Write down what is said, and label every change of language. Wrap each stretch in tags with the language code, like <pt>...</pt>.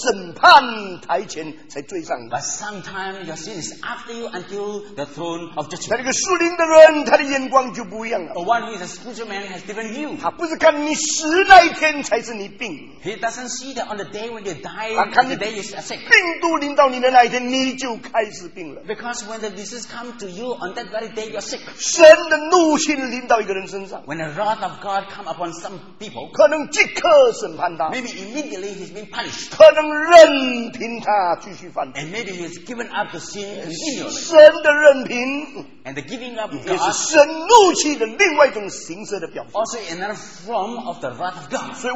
<zh>有时候你的罪是追赶你到审判台前才追上你,</zh> <en>but sometimes your sin is after you until the throne of judgment.</en> <zh>那个属灵的人, 他的眼光就不一样了,</zh> <en>the one who is a spiritual man has different view.</en> <zh>他不是看你死那一天才是你病,</zh> <en>he doesn't see that on the day when you die,</en> <zh>他看你,</zh> <en>the day you are sick.</en> <zh>病毒临到你的那一天, 你就开始病了,</zh> <en>because when the disease comes to you on that very day you are sick.</en> <zh>神的怒气临到一个人身上,</zh> <en>when the wrath of God comes upon some people,</en> <zh>可能即刻审判他,</zh> <en>maybe immediately he's been punished,</en> <zh>可能任凭他继续犯,</zh> <en>and maybe he's given up the sin continually.</en> <zh>神的任凭,</zh> <en>and the giving up of God,</en> <zh>也是神怒气的另外一种形式的表现,</zh> <en>also another form of the wrath of God.</en>